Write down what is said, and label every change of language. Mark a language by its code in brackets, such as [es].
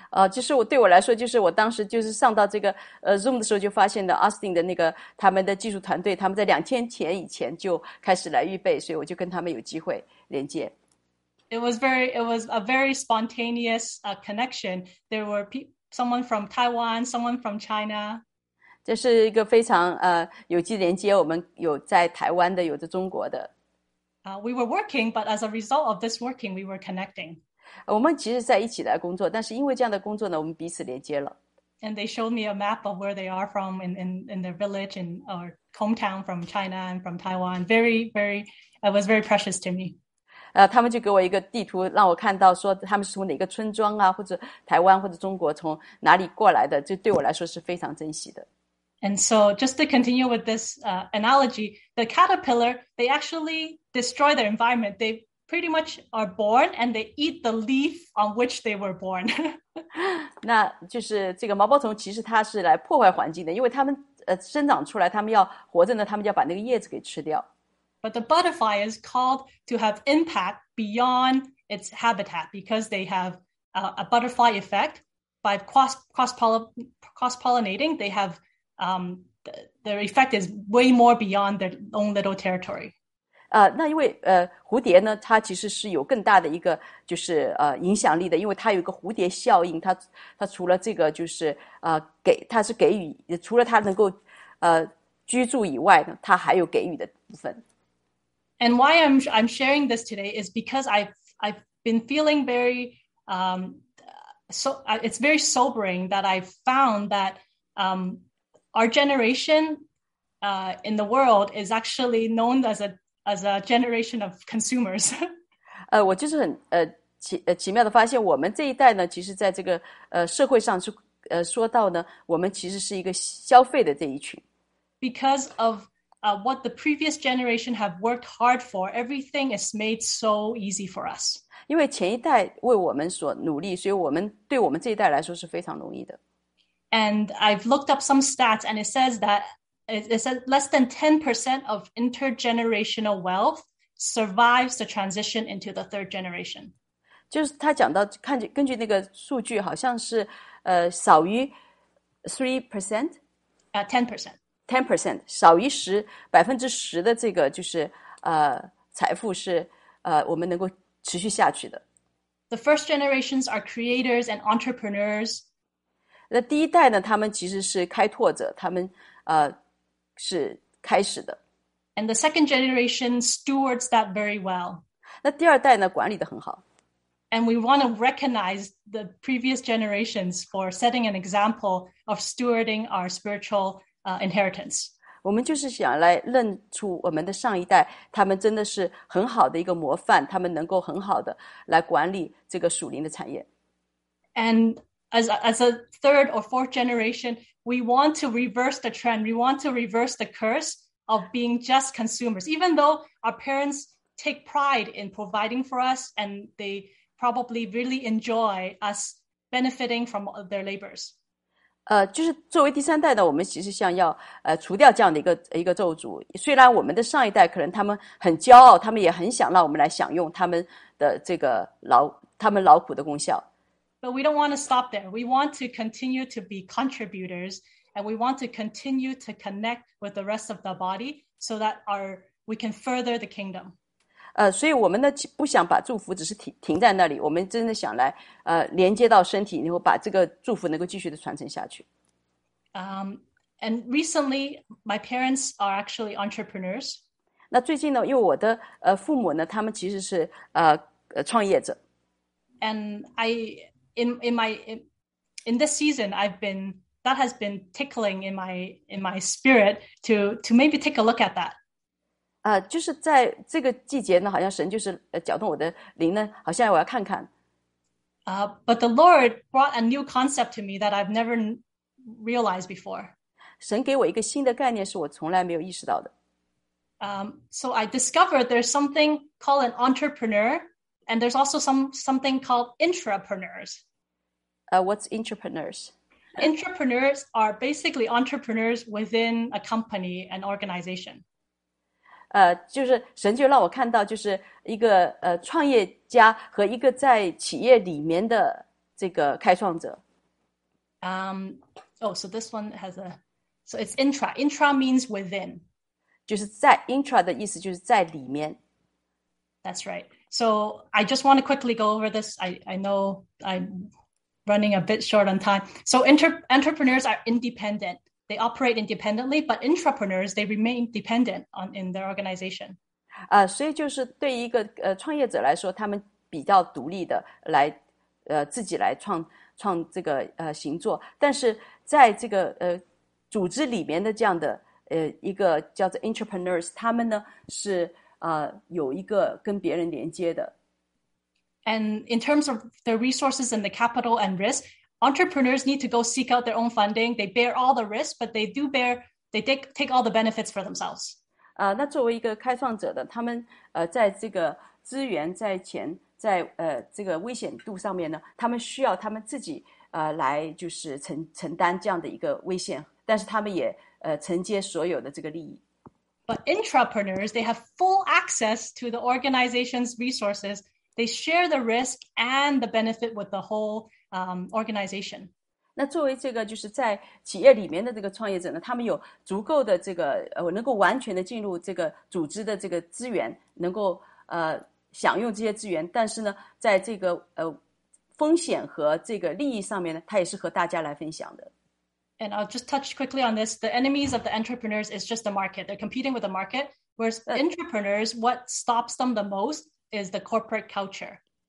[zh] 就是我对我来说就是我当时就是上到这个Zoom 的时候就发现了 Austin 的那个他们的技术团队他们在2000前以前就开始来预备所以我就跟他们有机会连接。 [en] It was a very spontaneous connection. There were someone from Taiwan, someone from China. [zh] 这是一个非常有机连接，我们有在台湾的，有的中国的。 [en] We were working, but as a result of this working, we were connecting. [zh] 我们其实在一起来工作，但是因为这样的工作呢，我们彼此连接了。 [en] And they showed me a map of where they are from in their village and or hometown from China and from Taiwan. It was very precious to me. [zh] 他们就给我一个地图让我看到说他们是从哪个村庄啊或者台湾或者中国从哪里过来的这对我来说是非常珍惜的。 [en] And so just to continue with this analogy, the caterpillar, they actually destroy their environment. They pretty much are born and they eat the leaf on which they were born. [zh] 那就是这个毛毛虫其实它是来破坏环境的因为它们生长出来它们要活着呢它们就要把那个叶子给吃掉。 [en] But the butterfly is called to have impact beyond its habitat because they have a butterfly effect. By cross-pollinating, they have, their effect is way more beyond their own little territory. [zh] 那因为蝴蝶呢，它其实是有更大的一个就是影响力的，因为它有一个蝴蝶效应。它除了这个就是给它是给予，除了它能够居住以外呢，它还有给予的部分。 [en] And why I'm sharing this today is because I've been feeling very it's very sobering that I've found that our generation in the world is actually known as a generation of consumers. [zh] 我就是很奇妙的发现，我们这一代呢，其实在这个社会上是说到呢，我们其实是一个消费的这一群。 [en] Because of what the previous generation have worked hard for, everything is made so easy for us. [zh] 因为前一代为我们所努力，所以我们对我们这一代来说是非常容易的。 [en] And I've looked up some stats, and it says that it says less than 10% of intergenerational wealth survives the transition into the third generation. [zh] 就是他讲到，根据那个数据，好像是少于 3%? 10%。 10%, 少于十百分之十的这个就是财富是我们能够持续下去的。 [en] The first generations are creators and entrepreneurs. [zh] 那第一代呢，他们其实是开拓者，他们是开始的。 [en] And the second generation stewards that very well. [zh] 那第二代呢，管理得很好。 [en] And we want to recognize the previous generations for setting an example of stewarding our spiritual. Inheritance. [zh] 我们就是想来认出我们的上一代，他们真的是很好的一个模范，他们能够很好的来管理这个属灵的产业。 [en] And as a third or fourth generation, we want to reverse the trend. We want to reverse the curse of being just consumers. Even though our parents take pride in providing for us, and they probably really enjoy us benefiting from their labors. [zh] 就是作为第三代呢，我们其实像要除掉这样的一个咒诅。虽然我们的上一代可能他们很骄傲，他们也很想让我们来享用他们的这个劳苦的功效。 [en] But we don't want to stop there. We want to continue to be contributors, and we want to continue to connect with the rest of the body so that we can further the kingdom. [zh] 所以我们呢不想把祝福只是停在那里，我们真的想来连接到身体，然后把这个祝福能够继续的传承下去。 [en] And recently, my parents are actually entrepreneurs. [zh] 那最近呢，因为我的父母呢，他们其实是创业者。 [en] And in this season, that has been tickling in my spirit to maybe take a look at that. [zh] 就是在这个季节呢，好像神就是搅动我的灵呢，好像我要看看。 [en] But the Lord brought a new concept to me that I've never realized before. [zh] 神给我一个新的概念，是我从来没有意识到的。 [en] So I discovered there's something called an entrepreneur, and there's also something called intrapreneurs. What's intrapreneurs? Intrapreneurs are basically entrepreneurs within a company, an organization. [zh] 就是神就让我看到，就是一个创业家和一个在企业里面的这个开创者。 [en] So this one has a, so it's intra. Intra means within. [zh] 就是在 intra 的意思就是在里面。 [en] That's right. So I just want to quickly go over this. I know I'm running a bit short on time. So entrepreneurs are independent. They operate independently, but intrapreneurs, they remain dependent in their organization. [zh] 所以就是对一个创业者来说，他们比较独立的来自己来创这个行作，但是在这个组织里面的这样的一个叫做 intrapreneurs, 他们呢是有一个跟别人连接的。 [en] And in terms of the resources and the capital and risk,Entrepreneurs need to go seek out their own funding. They bear all the risks, but they take all the benefits for themselves. [zh] 那作为一个开创者的，他们在这个资源、在钱、在这个危险度上面呢，他们需要他们自己来就是承担这样的一个危险，但是他们也承接所有的这个利益。 [en] But intrapreneurs, they have full access to the organization's resources. They share the risk and the benefit with the whole. Organization. [zh] 那作为这个就是在企业里面的这个创业者呢，他们有足够的这个能够完全的进入这个组织的这个资源，能够享用这些资源，但是呢，在这个风险和这个利益上面呢，他也是和大家来分享的。 [en] And I'll just touch quickly on this. The enemies of the entrepreneurs is just the market. They're competing with the market. Whereas entrepreneurs, what stops them the most is the corporate culture.